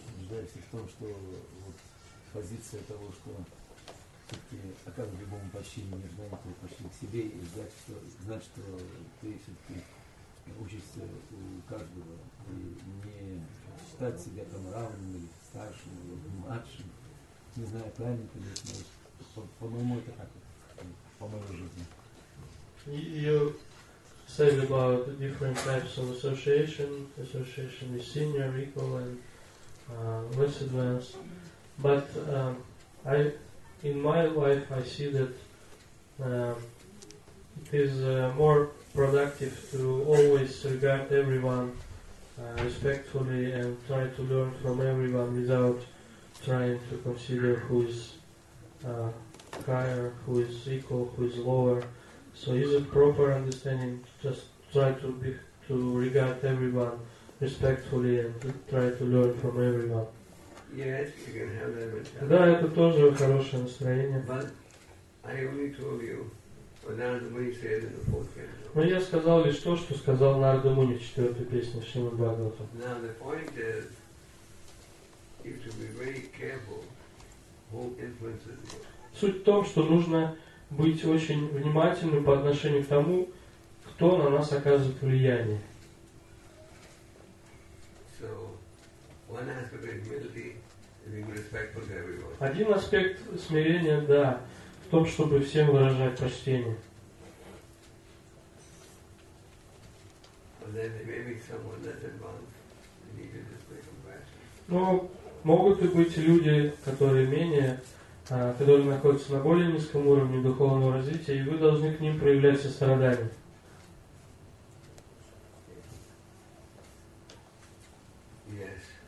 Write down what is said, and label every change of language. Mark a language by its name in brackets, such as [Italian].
[Russian] убеждаешься в том, что вот позиция того, что все-таки оказывать любому почтение, не ждать этого почтения к себе и знать, что ты все-таки учишься у каждого, и не считать себя там равным или старшим, или младшим, не знаю, правильно ты или нет, по-моему, это так, по моей жизни. [English] Said about the different types of association with senior, equal, and less advanced. But in my life I see that it is more productive to always regard everyone respectfully and try to learn from everyone without trying to consider who is higher, who is equal, who is lower. So is it proper understanding just try to regard everyone respectfully and to try to learn from everyone? Yes, you can have that mentality. [Russian] Да, это тоже хорошее настроение. [English] But I only told you what Narada Muni said in the fourth canto. [Russian] Но я сказал лишь то, что сказал Нарада Муни в четвертой песне Шримад Бхагаватам. [English] Now the point is, you have to be very careful who influences you. [Russian] Суть в том, что нужно быть очень внимательным по отношению к тому, кто на нас оказывает влияние. [English] So, one aspect of humility is being respectful to everyone. [Russian] Один аспект смирения, да, в том, чтобы всем выражать почтение. [English] But then there may be someone less advanced and need to display compassion. [Russian] Но могут и быть люди, которые менее, которые находятся на более низком уровне духовного развития, и вы должны к ним проявлять сострадание. [English] Yes.